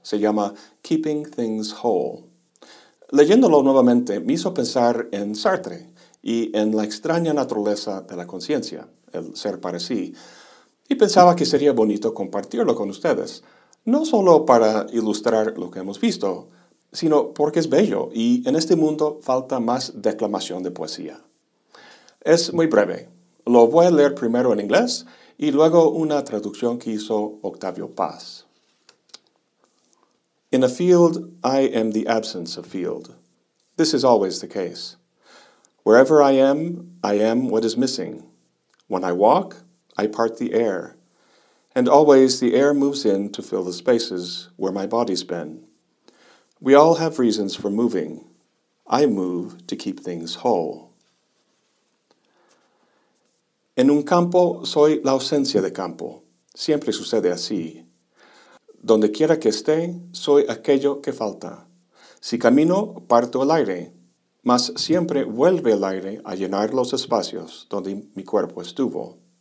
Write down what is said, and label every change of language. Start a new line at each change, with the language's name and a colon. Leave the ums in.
Spanish: Se llama Keeping Things Whole. Leyéndolo nuevamente me hizo pensar en Sartre y en la extraña naturaleza de la conciencia, el ser para sí, y pensaba que sería bonito compartirlo con ustedes no solo para ilustrar lo que hemos visto, sino porque es bello y en este mundo falta más declamación de poesía. Es muy breve. Lo voy a leer primero en inglés y luego una traducción que hizo Octavio Paz.
English: In a field, I am the absence of field. This is always the case. Wherever I am, I am what is missing. When I walk, I part the air and always the air moves in to fill the spaces where my body's been. We all have reasons for moving. I move to keep things whole.
Spanish: En un campo soy la ausencia de campo. Siempre sucede así. Donde quiera que esté, soy aquello que falta. Si camino, parto el aire, mas siempre vuelve el aire a llenar los espacios donde mi cuerpo estuvo.